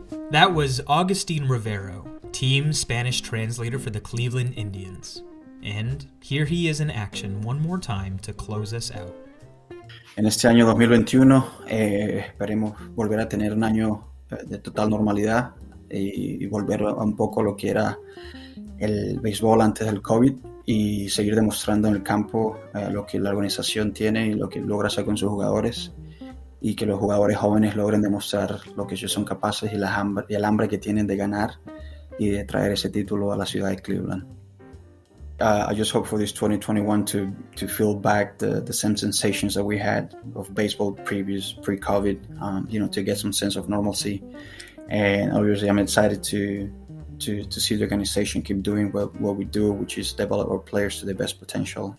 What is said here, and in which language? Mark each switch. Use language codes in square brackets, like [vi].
[en] That was Agustin Rivero, team Spanish translator for the Cleveland Indians. And here he is in action one more time to close us out. [es] En este año 2021 esperemos volver a tener un año de total normalidad y volver a un poco lo que era el béisbol antes del COVID y seguir demostrando en el campo lo que la organización tiene y lo que logra hacer con sus jugadores y que los jugadores jóvenes logren demostrar lo que ellos son capaces y el hambre que tienen de ganar y de traer ese título a la ciudad de Cleveland. [en] I just hope for this 2021 to feel back the same sensations that we had of baseball pre-COVID, you know, to get some sense of normalcy. And obviously I'm excited to see the organization keep doing what we do, which is develop our players to their best potential.